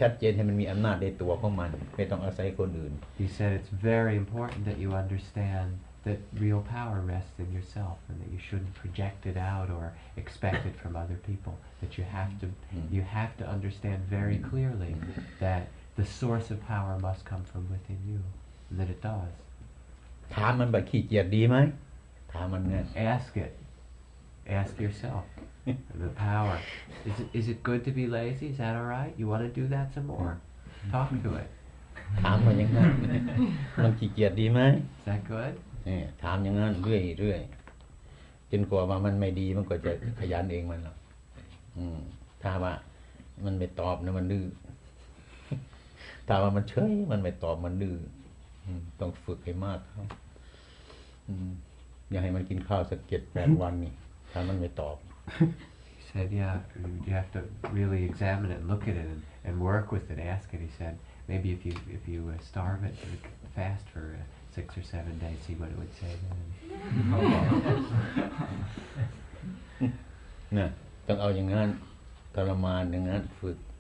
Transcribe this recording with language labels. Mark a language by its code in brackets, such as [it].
[th] ชัดเจนให้มันมีอำนาจในตัวของมันไม่ต้องอาศัยคนอื่น [en] He said it's very important that you understand that real power rests in yourself and that you shouldn't project it out or expect it from other people that you have to understand very clearly that the source of power must come from within you and that it does [th] ถามมันว่าขี้เกียจดีไหมถามมันเนี่ย [en] ask it ask yourselfThe power. Is it good to be lazy? Is that all right? You want to do that some more? Talk to it. [th] ถามมันยังไงมันขี้เกียจดีไหม [en] Is that good? [th] นี่ถามอย่างนั้นเรื่อยเรื่อยจนกว่าว่ามันไม่ดีมันก็จะขยันเองมันหรอกถ้าว่ามันไม่ตอบนะมันดื้อถ้าว่ามันเฉยมันไม่ตอบมันดื้อต้องฝึกให้มากครับอย่าให้มันกินข้าวสักเจ็ดแปดวันนี่ถ้ามันไม่ตอบ [en] he said, yeah, you have to really examine it and look at it and work with it, ask it. He said, maybe if you starve it, fast for 6 or 7 days, see what it would say then. [th] นะต้องเอาอย่างนั้นทรมานอย่างนั้นฝึก